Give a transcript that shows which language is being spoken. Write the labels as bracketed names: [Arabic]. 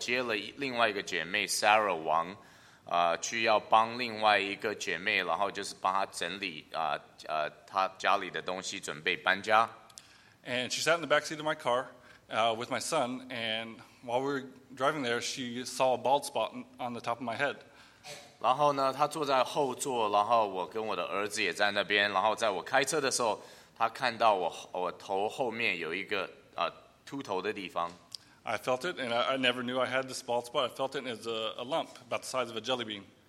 [Chinese] 那在过了回去的一两个礼拜以后，然后我接了另外一个姐妹 Sarah Wang，去要帮另外一个姐妹，然后就是帮她整理她家里的东西，准备搬家。 [English] And she sat in the back seat of my car with my son, and while we were driving there, she saw a bald spot on the top of my head. [Chinese] 然后呢，他坐在后座，然后我跟我的儿子也在那边。然后在我开车的时候，他看到我头后面有一个秃头的地方。 [English] I felt it, and I never knew I had this bald spot. I felt it as a lump about the size of a jelly bean.